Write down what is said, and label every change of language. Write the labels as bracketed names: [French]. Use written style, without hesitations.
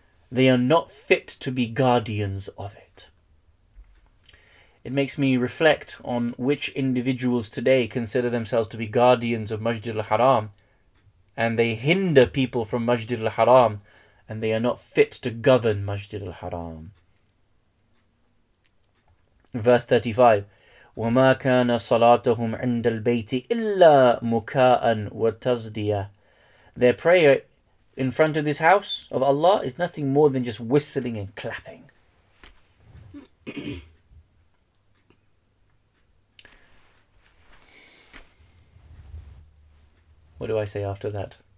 [English] They are not fit to be guardians of it. It makes me reflect on which individuals today consider themselves to be guardians of Masjid al-Haram, and they hinder people from Masjid al-Haram, and they are not fit to govern Masjid al-Haram. Verse 35, [Arabic] وَمَا كَانَ صَلَاتُهُمْ عِنْدَ الْبَيْتِ إِلَّا مُكَاءً وَتَزْدِيَةً. [English] Their prayer in front of this house of Allah is nothing more than just whistling and clapping. What do I say after that?